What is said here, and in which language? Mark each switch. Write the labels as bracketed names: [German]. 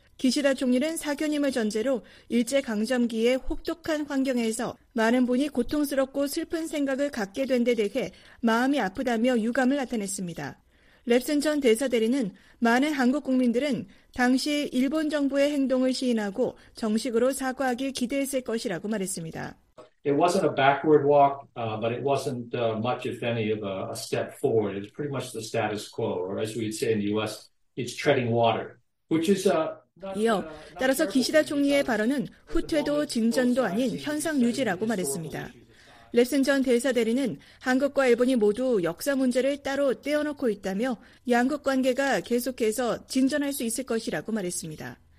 [Korean] 기시다 총리는 사견임을 전제로 일제강점기의 혹독한 환경에서 많은 분이 고통스럽고 슬픈 생각을 갖게 된 데 대해 마음이 아프다며 유감을 나타냈습니다. 랩슨 전 대사대리는 많은 한국 국민들은 당시 일본 정부의 행동을 시인하고 정식으로 사과하길 기대했을 것이라고 말했습니다. [English] It wasn't a backward walk, but it wasn't much, if any, of a step forward. It's pretty much the status quo, or as we'd say in the U.S., it's treading water, which is a [Korean] 이어 따라서 기시다 총리의 발언은 후퇴도 진전도 아닌 현상 유지라고 말했습니다. 레슨 전 대사 대리는 한국과 일본이 모두 역사 문제를 따로 떼어놓고 있다며 양국 관계가 계속해서 진전할 수 있을 것이라고 말했습니다.